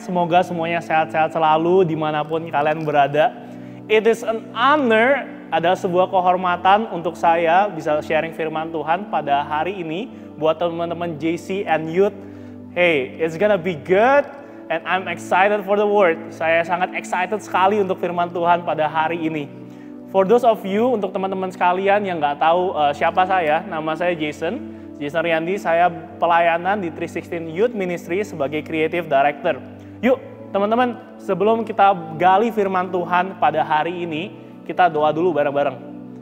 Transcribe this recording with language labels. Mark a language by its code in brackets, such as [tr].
[id] Semoga semuanya sehat-sehat selalu dimanapun kalian berada. [en] It is an honor, [id] adalah sebuah kehormatan untuk saya bisa sharing firman Tuhan pada hari ini buat teman-teman JC and Youth. [en] Hey, it's gonna be good and I'm excited for the word. [id] Saya sangat excited sekali untuk firman Tuhan pada hari ini. [en] For those of you, [id] untuk teman-teman sekalian yang nggak tahu siapa saya, nama saya Jason. Jason Riyandi, saya pelayanan di 316 Youth Ministry sebagai Creative Director. Yuk, teman-teman, sebelum kita gali firman Tuhan pada hari ini, kita doa dulu bareng-bareng.